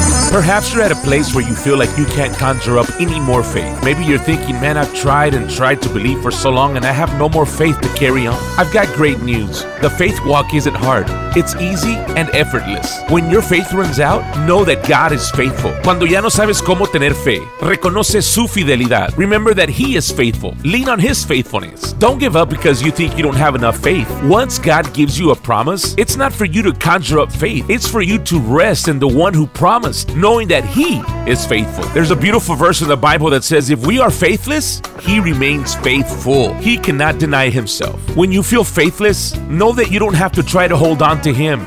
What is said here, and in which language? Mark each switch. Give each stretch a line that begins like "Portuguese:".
English: Perhaps you're at a place where you feel like you can't conjure up any more faith. Maybe you're thinking, man, I've tried and tried to believe for so long and I have no more faith to carry on. I've got great news. The faith walk isn't hard. It's easy and effortless. When your faith runs out, know that God is faithful.
Spanish: Cuando ya no sabes cómo tener fe, reconoce su fidelidad.
English: Remember that He is faithful. Lean on His faithfulness. Don't give up because you think you don't have enough faith. Once God gives you a promise, it's not for you to conjure up faith. It's for you to rest in the one who promised, knowing that He is faithful. There's a beautiful verse in the Bible that says, if we are faithless, He remains faithful. He cannot deny Himself. When you feel faithless, know that you don't have to try to hold on to him.